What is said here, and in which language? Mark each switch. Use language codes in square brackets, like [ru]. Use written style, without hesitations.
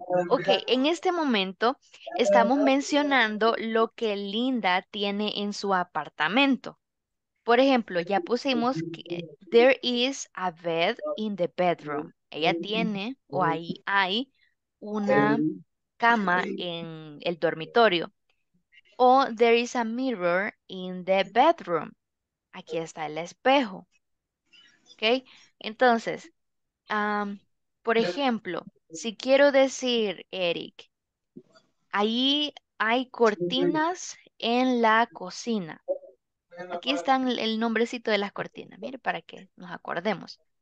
[es] Ok, en este momento estamos mencionando lo que Linda tiene en su apartamento. Por ejemplo, ya pusimos que [en] there is a bed in the bedroom. [es] Ella tiene, o ahí hay, una cama en el dormitorio. [en] O there is a mirror in the bedroom. [es] Aquí está el espejo. ¿Ok? Entonces, por ejemplo, si quiero decir, Eric, ahí hay cortinas en la cocina. Aquí están el nombrecito de las cortinas. Mire, para que nos acordemos.